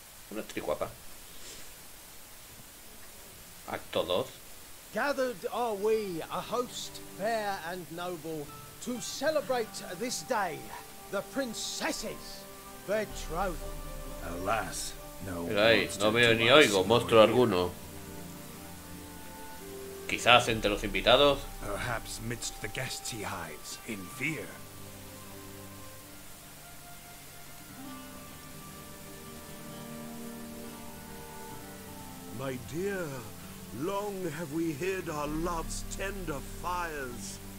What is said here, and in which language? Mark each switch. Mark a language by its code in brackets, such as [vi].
[es] Una triguapa. Acto 2. [en] Gathered are we, a host fair and noble, to celebrate this day, the princess's betrothal. Alas, no. [es] Mira ahí, no veo ni oigo monstruo alguno. Quizás entre los invitados. [en] Perhaps amidst the guests he hides in fear. My dear, long have we hid our love's tender fires.